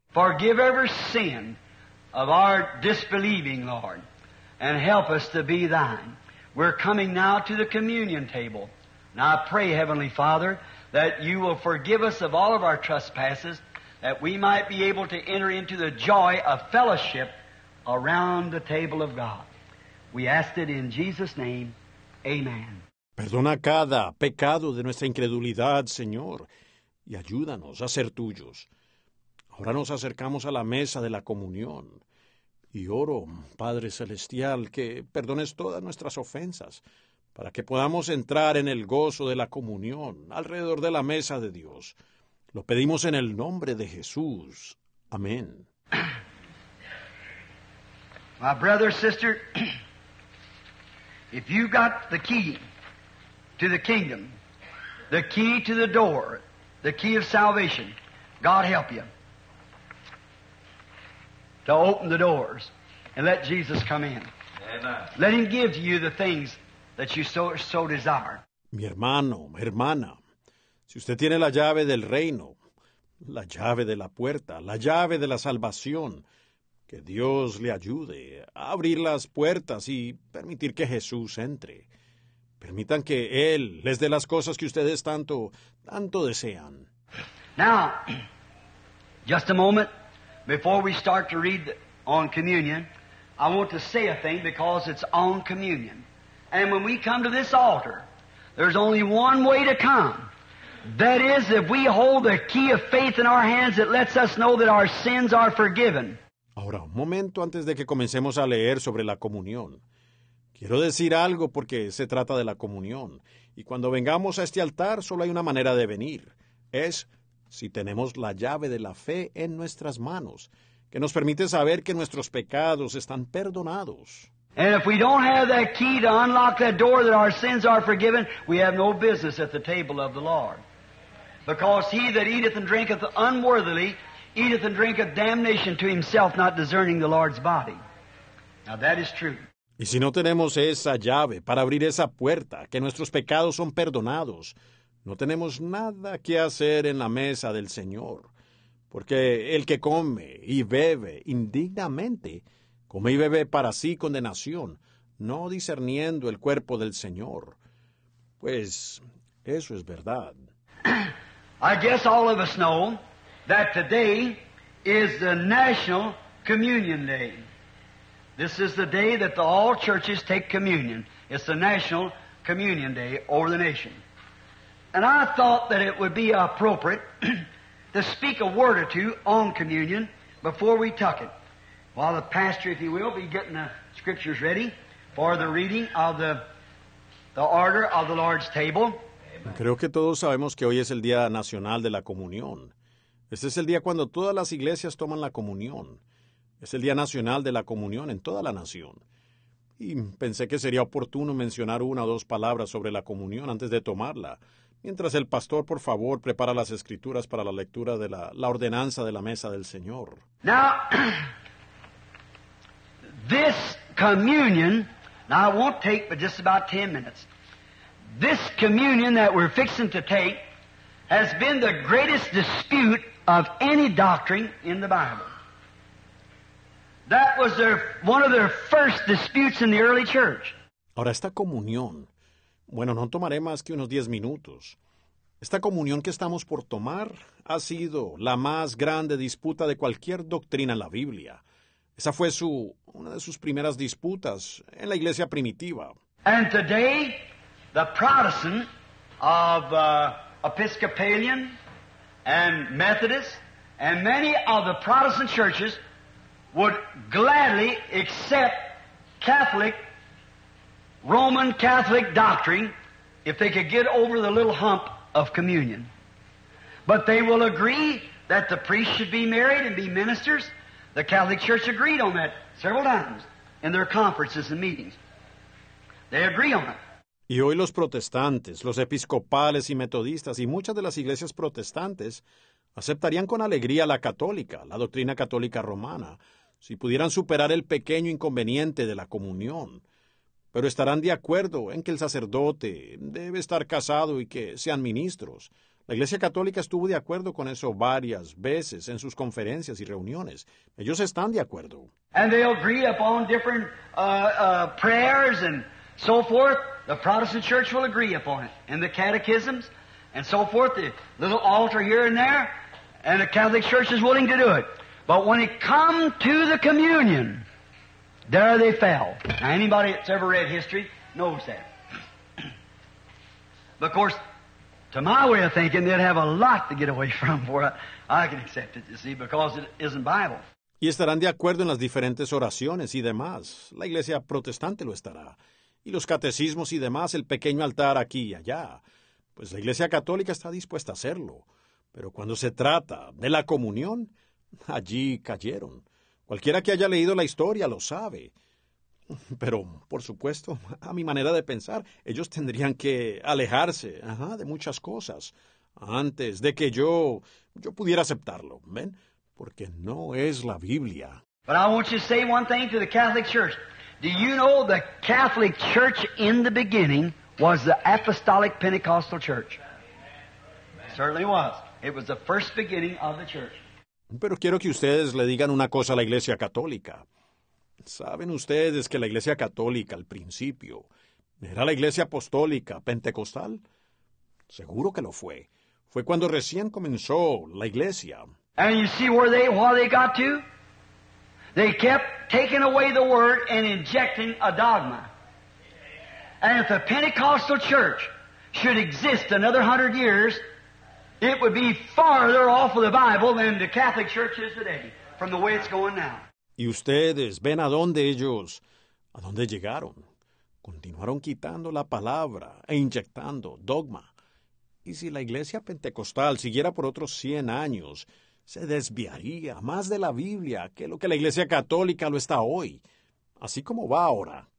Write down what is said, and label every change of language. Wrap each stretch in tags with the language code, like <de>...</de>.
<en>Forgive every sin of our disbelieving, Lord, and help us to be Thine. We're coming now to the communion table. Now I pray, Heavenly Father, that You will forgive us of all of our trespasses, that we might be able to enter into the joy of fellowship around the table of God. We ask it in Jesus' name. Amen.</en> <es>Perdona cada pecado de nuestra incredulidad, Señor, y ayúdanos a ser Tuyos. Ahora nos acercamos a la mesa de la comunión. Y oro, Padre Celestial, que perdones todas nuestras ofensas, para que podamos entrar en el gozo de la comunión alrededor de la mesa de Dios. Lo pedimos en el nombre de Jesús. Amén.</es> <en>My brother, sister, if you got the key to the kingdom, the key to the door, the key of salvation, God help you to open the doors and let Jesus come in. Amen. Let Him give to you the things that you so desire.</en> <es>Mi hermano, hermana, si usted tiene la llave del reino, La llave de la puerta, la llave de la salvación. Que Dios le ayude a abrir las puertas y permitir que Jesús entre. Permitan que Él les dé las cosas que ustedes tanto desean.</es> <en>Now, just a moment, before we start to read on communion, I want to say a thing because it's on communion. And when we come to this altar, there's only one way to come. That is, if we hold the key of faith in our hands, it lets us know that our sins are forgiven.</en> <es>Ahora, un momento antes de que comencemos a leer sobre la comunión. Quiero decir algo porque se trata de la comunión. Y cuando vengamos a este altar, solo hay una manera de venir. Es si tenemos la llave de la fe en nuestras manos, que nos permite saber que nuestros pecados están perdonados.</es> <en>And if we don't have that key to unlock that door that our sins are forgiven, we have no business at the table of the Lord. Because he that eateth and drinketh unworthily eateth and drinketh damnation to himself, not discerning the Lord's body. Now that is true.</en> <es>Y si no tenemos esa llave para abrir esa puerta, que nuestros pecados son perdonados, no tenemos nada que hacer en la mesa del Señor. Porque el que come y bebe indignamente, come y bebe para sí condenación, no discerniendo el cuerpo del Señor. Pues eso es verdad.</es> <en>I guess all of us know that today is the National Communion Day. This is the day that all churches take communion. It's the National Communion Day over the nation. And I thought that it would be appropriate to speak a word or two on communion before we tuck it. While the pastor, if you will, be getting the scriptures ready for the reading of the order of the Lord's table. Amen.</en> <es>Creo que todos sabemos que hoy es el Día Nacional de la Comunión. Este es el día cuando todas las iglesias toman la comunión. Es el Día Nacional de la Comunión en toda la nación. Y pensé que sería oportuno mencionar una o dos palabras sobre la comunión antes de tomarla. Mientras el pastor, por favor, prepara las escrituras para la lectura de la ordenanza de la mesa del Señor.</es> <en>Now, this communion, now I won't take but just about 10 minutes. This communion that we're fixing to take has been the greatest dispute of any doctrine in the Bible. That was one of their first disputes in the early church.</en> <es>Ahora, esta comunión, bueno, no tomaré más que unos 10 minutos. Esta comunión que estamos por tomar ha sido la más grande disputa de cualquier doctrina en la Biblia. Esa fue una de sus primeras disputas en la iglesia primitiva.</es> <en>And today, the Protestant of Episcopalian and Methodist and many of the Protestant churches would gladly accept Catholic, Roman Catholic doctrine if they could get over the little hump of communion. But they will agree that the priests should be married and be ministers. The Catholic Church agreed on that several times in their conferences and meetings. They agree on it.</en> <es>Y hoy los protestantes, los episcopales y metodistas y muchas de las iglesias protestantes aceptarían con alegría la católica, la doctrina católica romana, si pudieran superar el pequeño inconveniente de la comunión. Pero estarán de acuerdo en que el sacerdote debe estar casado y que sean ministros. La Iglesia Católica estuvo de acuerdo con eso varias veces en sus conferencias y reuniones. Ellos están de acuerdo.</es> <en>And they agree upon different prayers and so forth. The Protestant Church will agree upon it. And the catechisms and so forth. The little altar here and there. And the Catholic Church is willing to do it. But when it come to the communion, there they fell. Now, anybody that's ever read history knows that. But of course, to my way of thinking, they'd have a lot to get away from before I can accept it, you see, because it isn't Bible.</en> <es>Y estarán de acuerdo en las diferentes oraciones y demás. La iglesia protestante lo estará. Y los catecismos y demás, el pequeño altar aquí y allá. Pues la iglesia católica está dispuesta a hacerlo. Pero cuando se trata de la comunión, allí cayeron. Cualquiera que haya leído la historia lo sabe. Pero, por supuesto, a mi manera de pensar, ellos tendrían que alejarse de muchas cosas antes de que yo pudiera aceptarlo, ¿ven? Porque no es la Biblia.</es> <en>But I want you to say one thing to the Catholic Church. Do you know the Catholic Church in the beginning was the Apostolic Pentecostal Church? It certainly was. It was the first beginning of the church.</en> <es>Pero quiero que ustedes le digan una cosa a la Iglesia Católica. ¿Saben ustedes que la Iglesia Católica, al principio, era la Iglesia Apostólica Pentecostal? Seguro que lo fue. Fue cuando recién comenzó la Iglesia.</es> <en>And you see where they, what they got to? They kept taking away the word and injecting a dogma. And if the Pentecostal church should exist another 100 years, it would be farther off of the Bible than the Catholic church is today, from the way it's going now.</en> <es>Y ustedes ven a dónde ellos, a dónde llegaron. Continuaron quitando la palabra e inyectando dogma. Y si la Iglesia Pentecostal siguiera por otros 100 años, se desviaría más de la Biblia que lo que la Iglesia Católica lo está hoy, así como va ahora.</es>